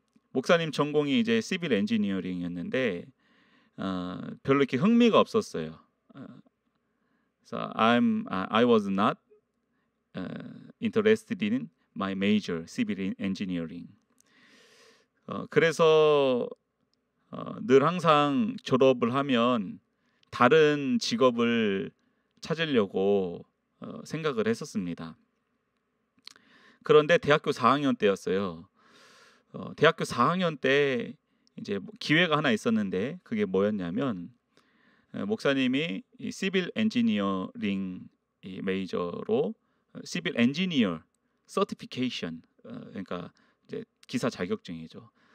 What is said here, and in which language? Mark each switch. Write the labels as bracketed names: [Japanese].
[Korean] 목사님 전공이 이제 Civil Engineering이었는데 별로 이렇게 흥미가 없었어요. [English] So I was not interested in my major, civil engineering. [Korean] 그래서 늘 항상 졸업을 하면 다른 직업을 찾으려고 생각을 했었습니다. 그런데 대학교 4학년 때였어요. 대학교 4학년 때 이제 기회가 하나 있었는데 그게 뭐였냐면 목사님이 이 시빌 엔지니어링 이 메이저로 시빌 엔지니어 서티피케이션 그러니까 이제 기사 자격증이죠.